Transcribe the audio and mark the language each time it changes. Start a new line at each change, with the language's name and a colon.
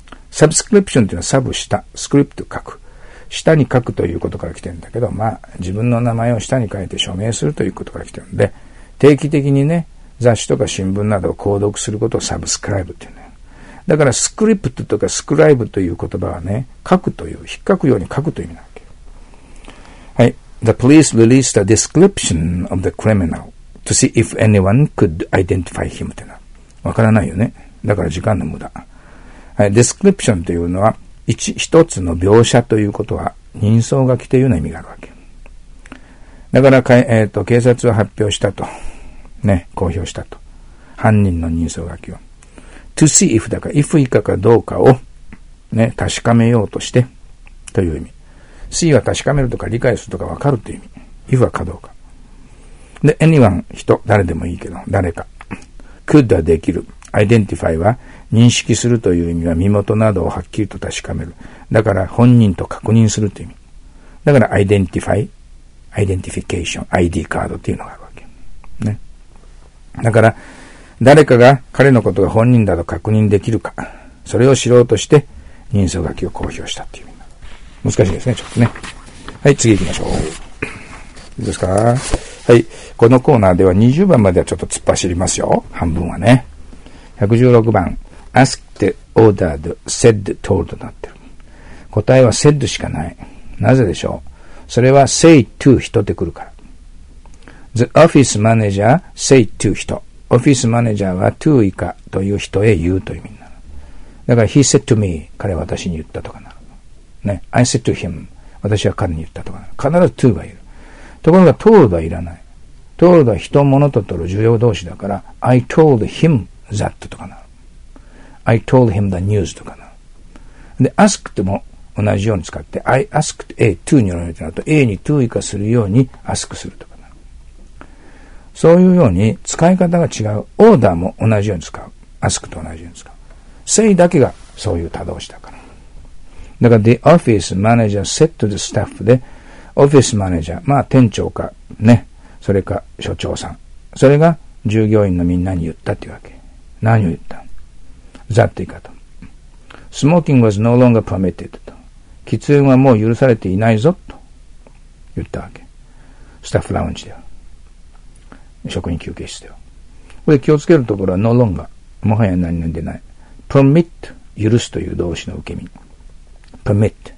Japanese: Subscription というのはサブ下、スクリプト書く。下に書くということから来てるんだけど、まあ、自分の名前を下に書いて署名するということから来てるんで、定期的にね、雑誌とか新聞などを購読することをサブスクライブっていうね。だから、スクリプトとかスクライブという言葉はね、書くという、引っ掛くように書くという意味なわけ。はい。
English: The police released a description of the criminal to see if anyone could identify him っていうのは、わからないよね。
Japanese: だから時間の無駄。はい。 Description というのは、一つの描写ということは、人相書きというような意味があるわけ。だから、警察は発表したと。ね、公表したと。犯人の人相書きを。to see if だから、if 以下かどうかを、ね、確かめようとして、という意味。 see は確かめるとか、理解するとか、わかるという意味。if はかどうか。で、anyone、人、誰でもいいけど、誰か。 could はできる。 identify は、認識するという意味は、身元などをはっきりと確かめる。だから、本人と確認するという意味。だから、identify、identification、ID カードというのがあるわけ。ね。だから、誰かが彼のことが本人だと確認できるか、それを知ろうとして、人相書きを公表したっていう意味。難しいですね、ちょっとね。はい、次行きましょう。いいですか？はい、このコーナーでは20番まではちょっと突っ走りますよ。半分はね。 116番、asked, ordered, said, told となってる。答えは said しかない。なぜでしょう？それは say to 人で来るから。
English: The office manager say to 人。
Japanese: オフィスマネージャーは to 以下という人へ言うという意味になる。だから
English: he said to me
Japanese: 彼は私に言ったとかなる。ね、
English: I said to him
Japanese: 私は彼に言ったとかなる。必ず to がいる。ところが told はいらない。told は人物と取る重要動詞だから
English: I told him that
Japanese: とかなる。
English: I told him the news とかなる。
Japanese: で asked も同じように使って
English: I asked A to
Japanese: によるようになると A に to 以下するように ask するとか。そういうように使い方が違う。オーダーも同じように使う。ask と同じように使う。 say だけがそういう他動詞だから。だから
English: the office manager said to the staff
Japanese: で、office manager、まあ店長か、ね、それか所長さん。それが従業員のみんなに言ったっていうわけ。何を言った ?that 言い方。
English: smoking was no longer permitted と。
Japanese: 喫煙はもう許されていないぞと言ったわけ。スタッフラウンジでは。職員休憩室では。これ気をつけるところは no longer。もはや何々でない。permit、許すという動詞の受け身。 permit。